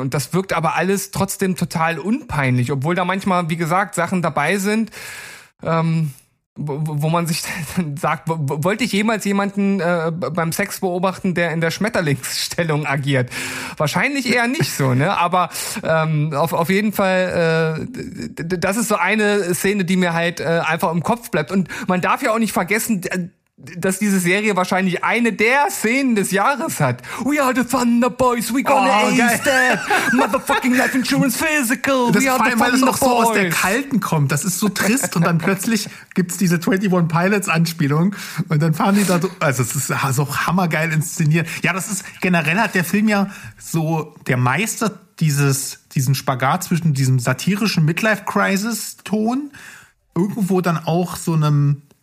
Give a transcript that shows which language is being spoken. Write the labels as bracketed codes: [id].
[de] Und das wirkt aber alles trotzdem total unpeinlich, obwohl da manchmal, wie gesagt, Sachen dabei sind, wo man sich dann sagt, wollte ich jemals jemanden beim Sex beobachten, der in der Schmetterlingsstellung agiert? Wahrscheinlich eher nicht so, ne? Aber auf jeden Fall, das ist so eine Szene, die mir halt einfach im Kopf bleibt. Und man darf ja auch nicht vergessen, dass diese Serie wahrscheinlich eine der Szenen des Jahres hat. [en] We are the Thunder Boys, we gonna ace that. Motherfucking life insurance physical. [de] Das [en] we are the Thunder Boys. [de] Das auch so aus der Kalten kommt. Das ist so trist. Und dann plötzlich gibt's diese 21 Pilots Anspielung. Und dann fahren die da so. Also es ist so hammergeil inszeniert. Ja, das ist generell hat der Film ja so der Meister diesen Spagat zwischen diesem satirischen Midlife-Crisis-Ton irgendwo dann auch so einem.